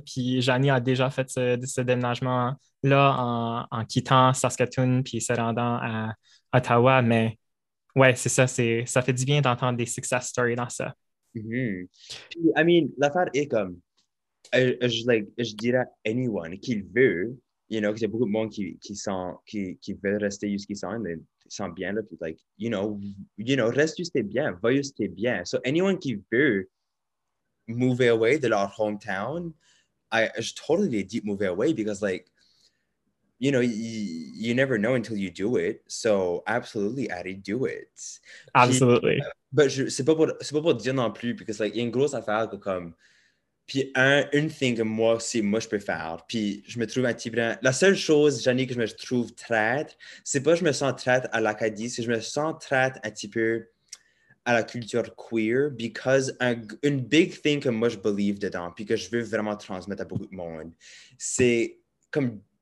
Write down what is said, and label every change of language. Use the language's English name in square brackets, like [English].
[French] Puis Janie a déjà fait ce déménagement-là en quittant Saskatoon puis se rendant à Ottawa. Mais ouais, c'est ça. Ça fait du bien d'entendre des success stories dans ça. Puis, [English] I mean, [French] l'affaire est comme, je dirais à [English] anyone [French] qui le veut, [English] you know, [French] qu'il y a beaucoup de monde qui veut rester jusqu'à ce qu'ils sont, ils sont bien là, puis, [English] like, you know, [French] reste jusqu'à bien, va jusqu'à bien. [English] So, anyone [French] qui veut [English] move away [French] de leur [English] hometown, [French] je totally dis [English] move away, because, like, you know, you never know until you do it. So, absolutely, Ari, do it. Absolutely. But [French] c'est pas pour dire non plus, [English] because, like, [French] il y a une grosse affaire que, comme, puis une thing que moi aussi, moi, je peux faire, puis je me trouve un petit peu... La seule chose, Janine, que je me trouve traître, c'est pas que je me sens traître à l'Acadie, c'est que je me sens traître un petit peu à la culture queer, [English] because [French] une [English] big thing [French] que moi, je [English] believe [French] dedans, puis que je veux vraiment transmettre à beaucoup de monde, c'est comme...